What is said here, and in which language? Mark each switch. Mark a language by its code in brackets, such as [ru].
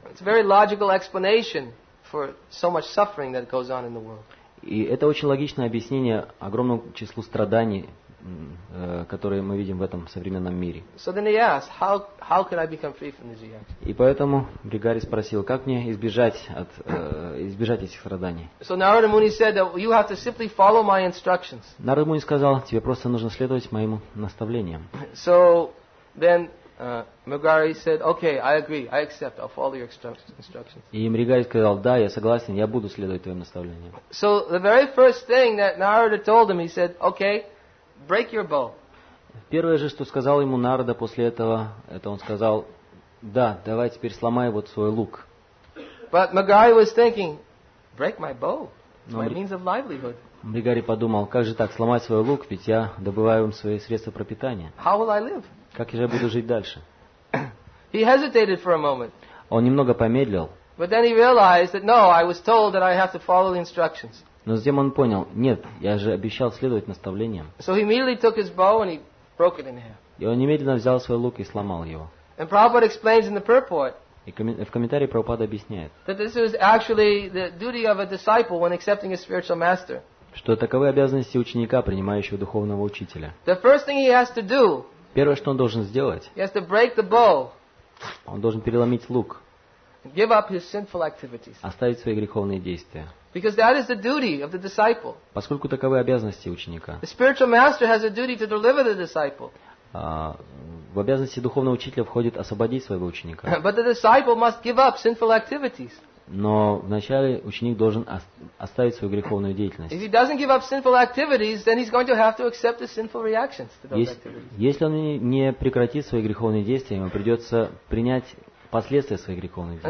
[en] It's a very logical explanation for so much suffering that goes on in the world. [ru] И это очень логичное объяснение огромному числу страданий, которые мы видим в этом современном мире. [en] So then he asked, how can I become free from these reactions? [ru] И поэтому Мригари спросил, как мне избежать этих страданий. [en] So Narada Muni said that you have to simply follow my instructions. [ru] Нарада Муни сказал, тебе просто нужно следовать моим наставлениям. [en] So then Megari said, okay, I agree, I accept, I'll follow your instructions. [ru] И Мригари сказал, да, я согласен, я буду следовать твоим наставлениям. [en] So the very first thing that Narada told him, he said, okay, break your bow. [ru] Первое же, что сказал ему Нарада после этого, это он сказал: "Да, давай теперь сломай вот свой лук". [en] But Megari was thinking, "Break my bow. It's my means of livelihood." [ru] Мригари подумал: "Как же так, сломать свой лук, ведь я добываю им свои средства пропитания? [en] How will I live?" [ru] Как я же буду жить дальше? [en] He hesitated for a moment. [ru] Он немного помедлил. [en] But then he realized that no, I was told that I have to follow the instructions. [ru] Но затем он понял, нет, я же обещал следовать наставлениям. [en] So he immediately took his bow and he broke it in half. [ru] И он немедленно взял свой лук и сломал его. [en] And Prabhupada explains in the purport. [ru] И в комментарии Прабхупада объясняет. [en] That this is actually the duty of a disciple when accepting a spiritual master. [ru] Что таковы обязанности ученика, принимающего духовного учителя. [en] The first thing he has to do. [ru] Первое, что он должен сделать. [en] He has to break the bow. [ru] Он должен переломить лук. [en] Give up his sinful activities. [ru] Оставить свои греховные действия. [en] Because that is the duty of the disciple. [ru] Поскольку таковы обязанности ученика. [en] The spiritual master has a duty to deliver the disciple. [ru] В обязанности духовного учителя входит освободить своего ученика. [en] But the disciple must give up sinful activities. [ru] Но вначале ученик должен оставить свою греховную деятельность. [en] If he doesn't give up sinful activities, then he's going to have to accept the sinful reactions to those activities. [ru] Если он не прекратит свои греховные действия, ему придется принять последствия своих греховных действий.